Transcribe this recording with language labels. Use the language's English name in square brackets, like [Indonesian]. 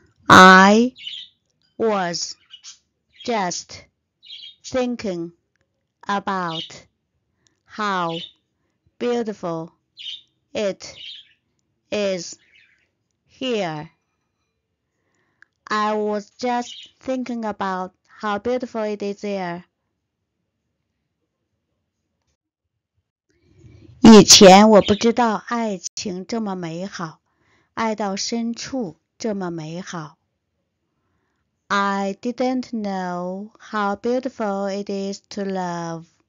[English] I was just thinking about how beautiful it is here. I was just thinking about how beautiful it is there. [Chinese] 以前我不知道爱情这么美好，爱到深处这么美好。 [English] I didn't know how beautiful it is to love.